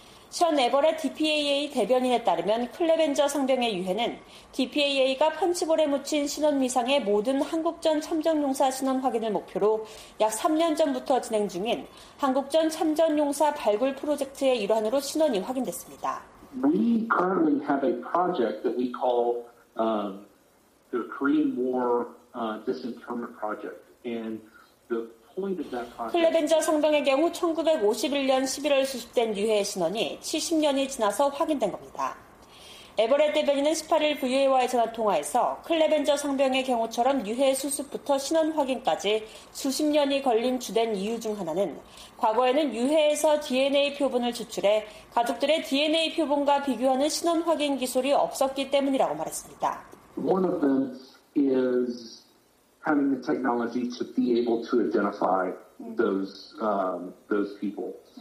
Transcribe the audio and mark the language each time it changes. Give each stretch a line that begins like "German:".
Korean: 션 에버렛 DPAA 대변인에 따르면 클레벤저 상병의 유해는 DPAA가 펀치볼에 묻힌 신원 미상의 모든 한국전 참전용사 신원 확인을 목표로 약 3년 전부터 진행 중인 한국전 참전용사 발굴 프로젝트의 일환으로 신원이 확인됐습니다.
English: We currently have a project that we call the Korean War Disinterment Project. And the point of that project.
Korean: 클레벤저 상병의 경우 1951년 11월 수습된 유해의 신원이 70년이 지나서 확인된 겁니다. 에버렛 대변인은 18일 VOA와의 전화 통화에서 클레벤저 상병의 경우처럼 유해 수습부터 신원 확인까지 수십 년이 걸린 주된 이유 중 하나는 과거에는 유해에서 DNA 표본을 추출해 가족들의 DNA 표본과 비교하는 신원 확인 기술이 없었기 때문이라고 말했습니다.
English: One of them is having the technology to be able to identify those people.